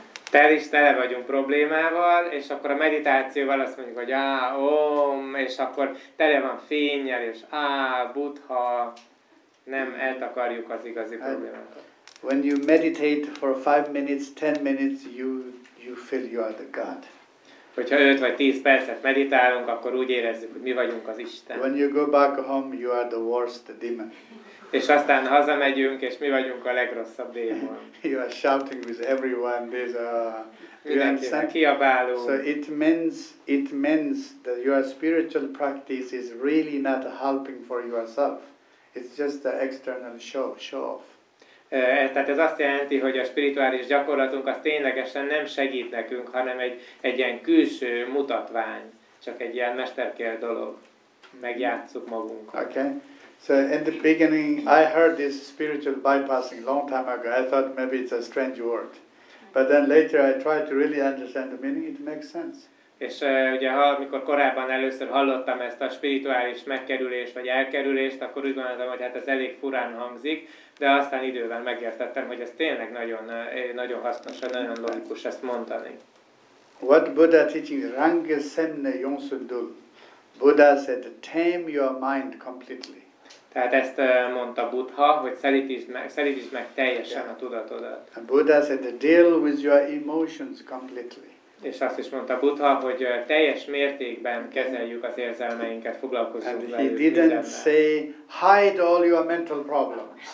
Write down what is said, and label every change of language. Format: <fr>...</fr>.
<hu>Tel is tele vagyunk problémával, és akkor a meditációval azt mondjuk, hogy om, és akkor tele van fénnyel, és Buddha, nem eltakarjuk az igazi problémát.</hu> <en>When you meditate for 5 minutes, 10 minutes, you feel you are the God.</en> <hu>Hogyha 5 vagy 10 percet meditálunk, akkor úgy érezzük, hogy mi vagyunk az Isten.</hu> <en>When you go back home, you are the worst demon.</en> <hu>És aztán hazamegyünk, és mi vagyunk a legrosszabb démon.</hu> <en>You are shouting with everyone. There's a</en> <hu>mindenkinek kiabálunk.</hu> <en>So it means that your spiritual practice is really not helping for yourself. It's just an external show off.</en> <hu>Tehát ez azt jelenti, hogy a spirituális gyakorlatunk az ténylegesen nem segít nekünk, hanem egy ilyen külső mutatvány, csak egy ilyen mesterkélt dolog. Megjátsszuk magunkat.</hu> <en>Okay. So in the beginning, I heard this spiritual bypassing long time ago. I thought maybe it's a strange word. But then later I tried to really understand the meaning, it makes sense.</en> <hu>És ugye, amikor korábban először hallottam ezt a spirituális megkerülést vagy elkerülést, akkor úgy gondoltam, hogy hát ez elég furán hangzik, de aztán idővel megértettem, hogy ez tényleg nagyon, nagyon hasznos, nagyon logikus ezt mondani.</hu> <en>What Buddha teaching? Rang semne yonsun dul. Buddha said, tame your mind completely.</en> <hu>Tehát ezt mondta Buddha, hogy szelítsd meg teljesen a tudatodat.</hu> <en>And Buddha said, deal with your emotions completely.</en> <hu>És azt is mondta Buddha, hogy teljes mértékben kezeljük az érzelmeinket, foglalkozzunk</hu> <en>And</en> <hu>velük.</hu> <en>And he didn't</en> <hu>mindenben.</hu> <en>Say, hide all your mental problems.</en>